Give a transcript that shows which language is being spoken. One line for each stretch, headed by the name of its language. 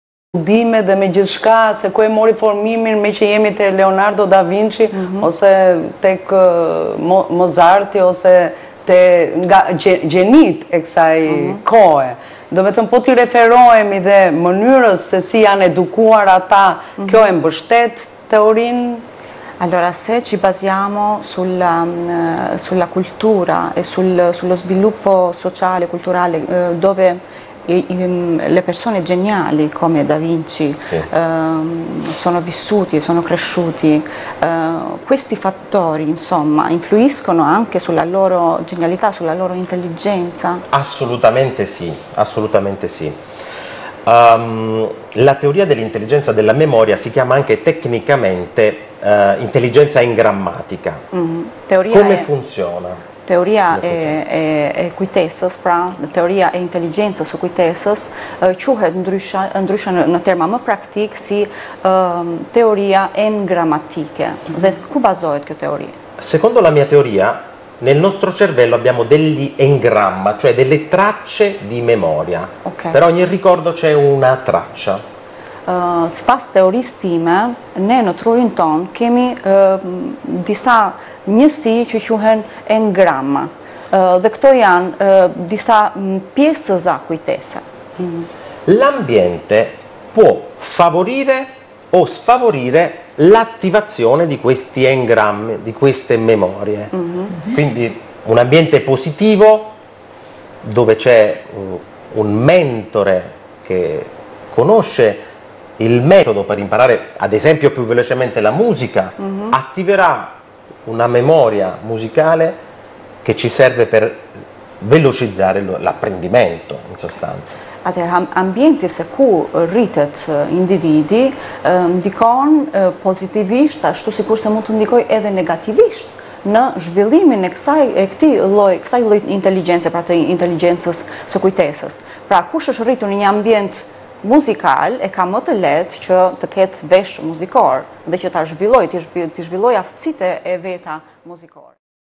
Albanian: Dime dhe me gjithçka se ku e mori formimin me që jemi te Leonardo da Vinci ose tek Mozarti ose te nga gjenit e kësaj kohe. Do vetëm po ti referohemi dhe mënyrës se si janë edukuar ata, kjo e mbështet teorinë.
Italian: Allora, se ci basiamo sulla, sulla cultura e sul, sullo sviluppo sociale culturale dove le persone geniali come Da Vinci sono vissuti, sono cresciuti, questi fattori insomma influiscono anche sulla loro genialità, sulla loro intelligenza? Assolutamente sì, assolutamente sì. La teoria dell'intelligenza della memoria si chiama anche tecnicamente intelligenza in grammatica. Come funziona?
Albanian: Teoria e kujtesës, pra, teoria e inteligencës o kujtesës, quhet ndryshe në terma më praktik si teoria en grammatike. Dhe ku bazohet kjo teori?
Italian: Secondo la mia teoria, nel nostro cervello abbiamo degli engramma, cioè delle tracce di memoria. Okay. Per ogni ricordo c'è una traccia.
Albanian: Si pas teorisë time, ne në trurin ton kemi disa njësi që quhen engramma. Dhe këto janë disa pjesës a kujtese.
Italian: L'ambiente può favorire o sfavorire l'attivazione di questi engrammi, di queste memorie. Quindi un ambiente positivo dove c'è un mentore che conosce il metodo per imparare, ad esempio, più velocemente la musica, attiverà una memoria musicale che ci serve per velocizzare l'apprendimento, in sostanza.
Albanian: Atëherë, ambienti se ku rritet individi, ndikon pozitivisht, ashtu si kurse mund të ndikoj edhe negativisht në zhvillimin e kësaj lloj inteligence, pra të inteligencës së kujtesës. Pra, kush është rritur në një ambient muzikal e ka më të lehtë që të ketë vesh muzikor dhe që ta zhvilloj aftësitë e veta muzikor.